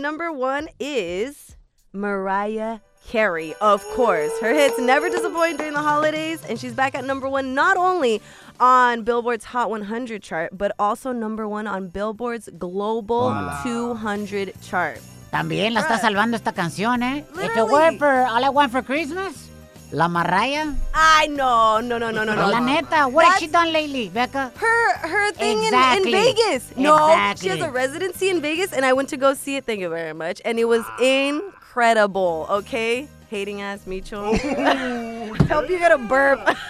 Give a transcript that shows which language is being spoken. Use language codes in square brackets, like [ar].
[en] Number one is Mariah Carey, of course. Her hits never disappoint during the holidays, and she's back at number one not only on Billboard's Hot 100 chart, but also number one on Billboard's Global 200 chart. [es] También la está salvando esta canción, eh? [en] Literally. If it weren't for All I Want for Christmas, La Mariah. I know. No. [es] La neta, [en] what has she done lately, Becca? Her thing exactly. in Vegas. No, exactly. She has a residency in Vegas, and I went to go see it. Thank you very much. And it was incredible, okay? Hating ass, Micho. Help you get a burp.